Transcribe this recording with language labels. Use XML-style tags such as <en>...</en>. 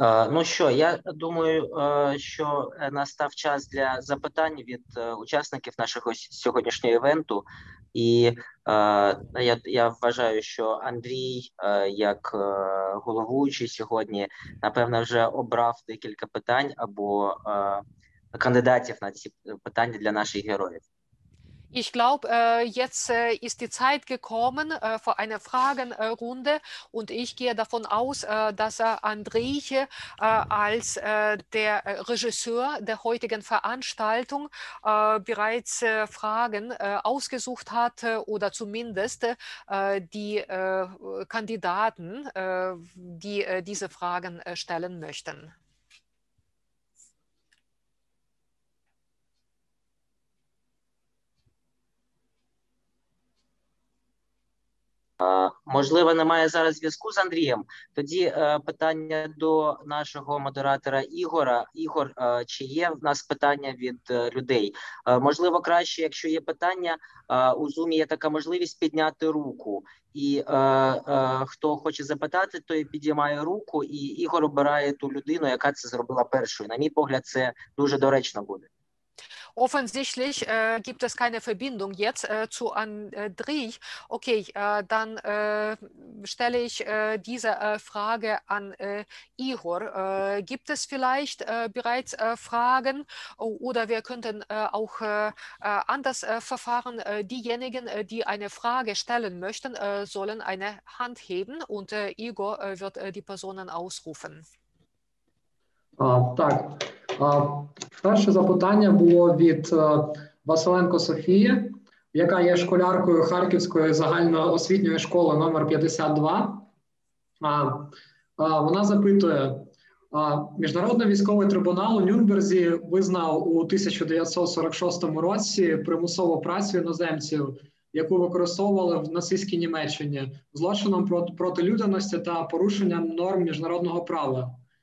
<uk>Ну що, я думаю, що настав час для запитань від учасників нашого сьогоднішнього івенту. І я вважаю, що Андрій, як головуючий сьогодні, напевно, вже обрав декілька питань або кандидатів на ці питання для наших героїв.</uk> <de>Ich glaube, jetzt ist die Zeit gekommen für eine Fragenrunde und ich gehe davon aus, dass André als der Regisseur der heutigen Veranstaltung bereits Fragen ausgesucht hat oder zumindest die Kandidaten, die diese Fragen stellen möchten.</de> <uk>Можливо, немає зараз зв'язку з Андрієм. Тоді питання до нашого модератора Ігора. Ігор, чи є в нас питання від людей? Можливо, краще, якщо є питання, у Zoom є така можливість підняти руку. І хто хоче запитати, той підіймає руку, і Ігор обирає ту людину, яка це зробила першою. На мій погляд, це дуже доречно буде.</uk> <de>Offensichtlich gibt es keine Verbindung jetzt zu André. Okay, dann stelle ich diese Frage an Ihor. Gibt es vielleicht bereits Fragen oder wir könnten auch anders verfahren? Diejenigen, die eine Frage stellen möchten, sollen eine Hand heben und Ihor wird die Personen ausrufen.</de> <uk>Так, Перше запитання було від Василенко Софії, яка є школяркою Харківської загальноосвітньої школи номер 52. Вона запитує, Міжнародний військовий трибунал у Нюрнберзі визнав у 1946 році примусову працю іноземців, яку використовували в нацистській Німеччині, злочином проти людяності та порушенням норм міжнародного права.</uk>